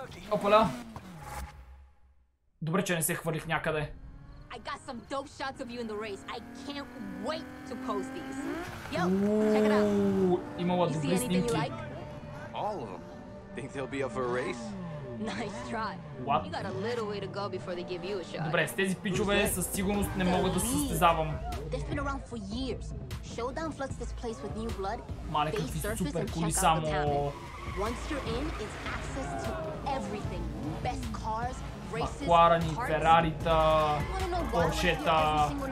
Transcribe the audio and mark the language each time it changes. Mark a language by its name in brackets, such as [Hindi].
[Bulgarian] Опаля! Добре, че не се хвърлих някъде. [English] I got some dope shots of you in the race. I can't wait to post these. Yo, check it out. [Bulgarian] Имала добри снимки. [English] You see anything you like? All of them. Think they'll be up for a race? Nice try. What? You got a little way to go before they give you a shot. [Bulgarian] Добре, с тези пичове със сигурност не мога да се състезавам. [English] They've been around for years. Showdown floods this place with new blood. [Bulgarian] Мале, какви супер кули само. [English] Once you're in, it's access to everything. [Bulgarian] Best cars, Макларани, Ферарита, Поршета.